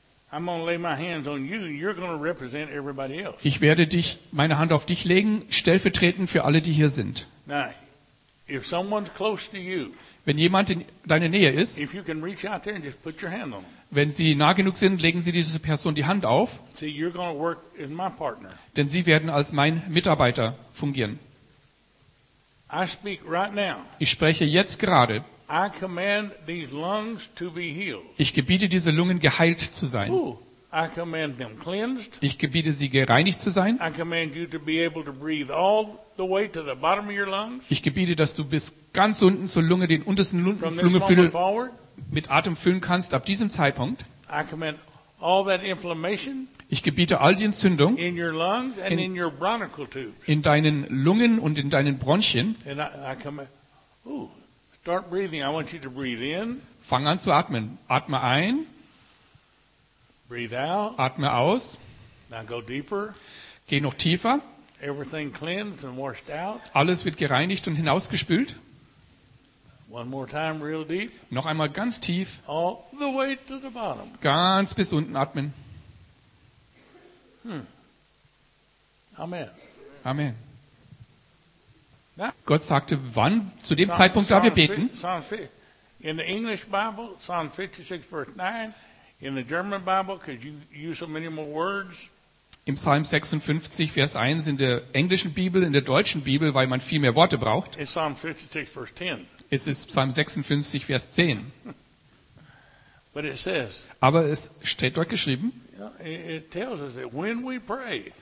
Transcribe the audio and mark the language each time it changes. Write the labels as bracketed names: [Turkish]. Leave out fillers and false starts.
[English] I'm going to lay my hands on you and you're going to represent everybody else. [German] Ich werde meine Hand auf dich legen, stellvertretend für alle, die hier sind. [English] Now, if someone's close to you, [German] wenn jemand in deiner Nähe ist, [English] if you can reach out there and just put your hand on them. [German] Wenn sie nah genug sind, legen sie dieser Person die Hand auf. [English] See, you're going to work as my partner. [German] Denn sie werden als mein Mitarbeiter fungieren. [English] I speak right now. [German] Ich spreche jetzt gerade. [English] I command these lungs to be healed. [German] Ich gebiete diese Lungen geheilt zu sein. [English] I command them cleansed. [German] Ich gebiete sie gereinigt zu sein. [English] I command you to be able to breathe all the way to the bottom of your lungs. [German] Ich gebiete, dass du bis ganz unten zur Lunge, den untersten Lungenflügel mit Atem füllen kannst ab diesem Zeitpunkt. [English] I command all that inflammation. [German] Ich gebiete all die Entzündung [English] in your lungs and in your bronchial tubes. [German] In deinen Lungen und in deinen Bronchien. [English] And I command, start breathing. I want you to breathe in. [German] Fang an zu atmen. Atme ein. [English] Breathe out. [German] Atme aus. [English] Now go deeper. [German] Geh noch tiefer. [English] Everything cleansed and washed out. [German] Alles wird gereinigt und hinausgespült. [English] One more time, real deep. [German] Noch einmal ganz tief. [English] All the way to the bottom. [German] Ganz bis unten atmen. [English] Amen. [German] Amen. Na? Gott sagte, wann, zu dem Zeitpunkt darf ich beten? [English] In the English Bible, Psalm 56, verse 9. In the German Bible, because you use so many more words. [German] Im Psalm 56, Vers 1, in der englischen Bibel, in der deutschen Bibel, weil man viel mehr Worte braucht. [English] In Psalm 56, verse 10. [German] Es ist Psalm 56, Vers 10. [English] But it says, [German] aber es steht dort geschrieben, [English] it tells us that when we pray,